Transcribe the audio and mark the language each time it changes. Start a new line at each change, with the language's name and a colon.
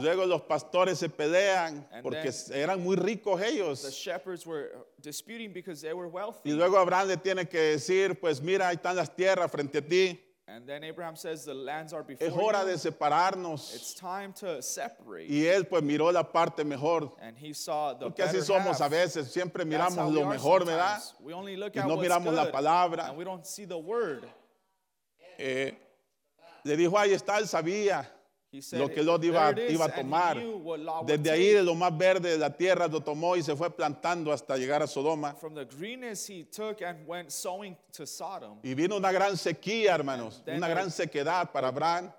Spanish: Luego los pastores se pelean porque eran muy ricos ellos.
English: The shepherds were disputing because they were wealthy.
Spanish: Y luego Abraham le tiene que decir, pues mira, ahí están las tierras frente a ti.
English: And then Abraham says, the lands are before
Spanish: es hora
English: you.
Spanish: De separarnos.
English: It's time to separate.
Spanish: Y él pues miró la parte mejor.
English: And he saw the
Spanish: porque así somos A veces, siempre miramos lo mejor, ¿verdad?
English: We only look
Spanish: y
English: at
Spanish: no miramos la palabra.
English: And we don't see the word.
Spanish: Le dijo, ahí está, él sabía
English: said,
Spanish: lo que Lot iba a tomar. Desde ahí, de lo más verde de la tierra, lo tomó y se fue plantando hasta llegar a Sodoma.
English: From the greenness he took and went sowing to Sodom.
Spanish: Y vino una gran sequía, hermanos, una gran sequedad para Abraham.